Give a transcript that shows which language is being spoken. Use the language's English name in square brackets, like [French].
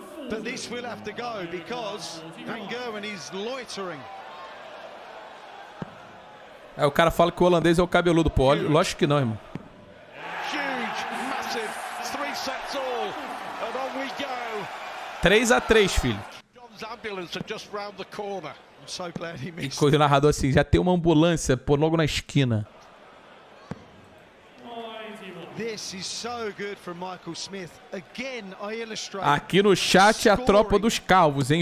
[English] But this will have to go because Van Gerwen is loitering. [Portuguese] É, o cara fala que o holandês é o cabeludo, pô. Lógico que não, irmão. [English] Huge, massive, three sets all, and on we go. [Portuguese] 3-3, filho. [English] John's ambulance are just round the corner. I'm so glad he missed. [Portuguese] E coisa, o narrador assim, já tem uma ambulância, pô, logo na esquina. [English] This is so good from Michael Smith. Again, I illustrate. [Portuguese] Aqui no chat é a tropa dos calvos, hein?